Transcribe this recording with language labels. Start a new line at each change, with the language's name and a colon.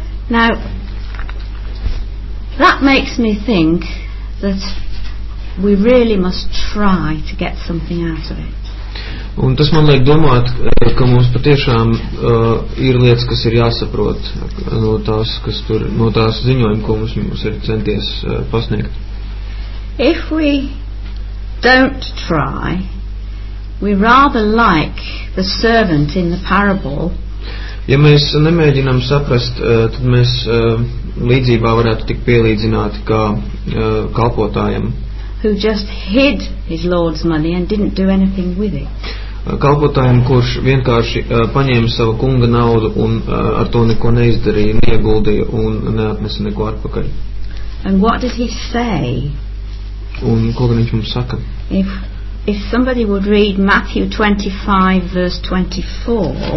English: Now, that makes me think that we really must try to get something out of it.
Latvian: Un tas man liek domāt, ka mums patiešām ir lietas, kas ir jāsaprot no tās, kas tur, no tās ziņojuma, ko mums ir centies pasniegt.
English: If we don't try, we rather like the servant in the parable.
Latvian: Ja mēs nemēģinām saprast, tad mēs līdzībā varētu tik pielīdzināt kā kalpotājam.
English: Who just hid his lord's money and didn't do anything with it.
Latvian: Kalpotājiem, kurš vienkārši paņēma savu kunga naudu un ar to neko neizdarīja, neieguldīja un neatnesa neko atpakaļ.
English: And what does he say?
Latvian: Un ko gan viņš mums saka?
English: If somebody would read Matthew 25 verse 24.